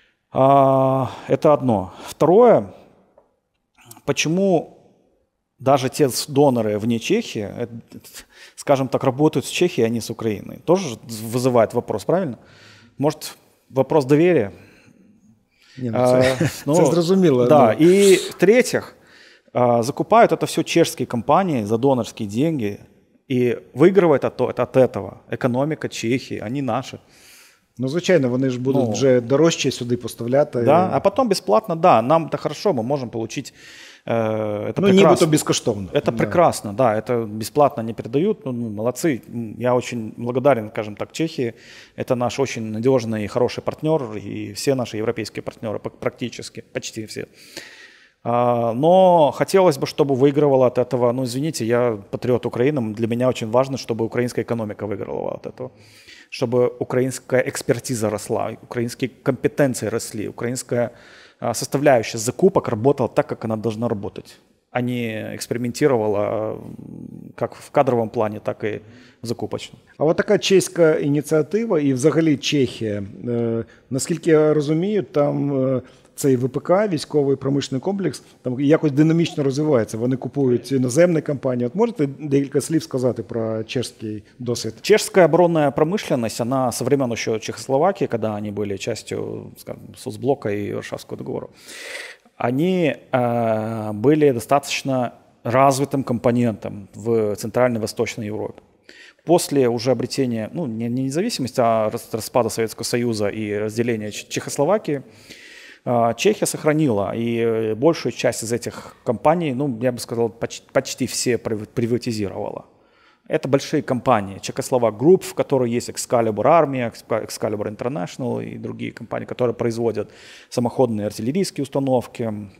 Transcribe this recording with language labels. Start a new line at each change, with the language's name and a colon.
Russian: Это одно. Второе, почему даже те доноры вне Чехии, скажем так, работают с Чехией, а не с Украиной, тоже вызывает вопрос, правильно? Может, вопрос доверия?
Ukrainian: Не, ну, это зрозуміло.
Russian: Да, но... И в-третьих, закупают это все чешские компании за донорские деньги и выигрывают от этого экономика Чехии, они наши.
Ukrainian: Ну, звичайно, вони ж будуть вже дорожче сюди поставляти.
Russian: Да?
Ukrainian: А потім безплатно, так. Да, нам це хорошо, ми можемо отримати. Ну, нібито безкоштовно. Це прекрасно, так. Да. Це да, безплатно не передають. Ну, молодці. Я дуже благодарен,
Russian: скажем так,
Ukrainian: Чехії. Це наш дуже надіжний і хороший партнер, і всі наші європейські партнери, практично, почти всі.
Russian: Но хотелось бы, чтобы выигрывало от этого, ну извините, я патриот Украины, для меня очень важно, чтобы украинская экономика выигрывала от этого, чтобы украинская экспертиза росла, украинские компетенции росли, украинская составляющая закупок работала так, как она должна работать, а не экспериментировала как в кадровом плане, так и в закупочном. А вот такая чешская инициатива и взагалі Чехия, насколько я разумею, там...
Ukrainian: цей ВПК, військовий промишлений комплекс, там якось динамічно розвивається. Вони купують іноземні компанії. От можете декілька слів сказати про чеський досвід? Чеська оборонна промисленність, вона з часу ще Чехословакії, коли вони були частю, скажімо, соцблока і Варшавського договору, вони були достатньо розвитим компонентом в Центральній Восточній Європі.
Russian: После уже обретения, ну, не независимости, а распада Советского Союза и разделения Чехословакии, Чехия сохранила, и большую часть из этих компаний, ну, я бы сказал, почти все приватизировала. Это большие компании, Чехословак Групп, в которой есть Excalibur Army, Excalibur International и другие компании, которые производят самоходные артиллерийские установки.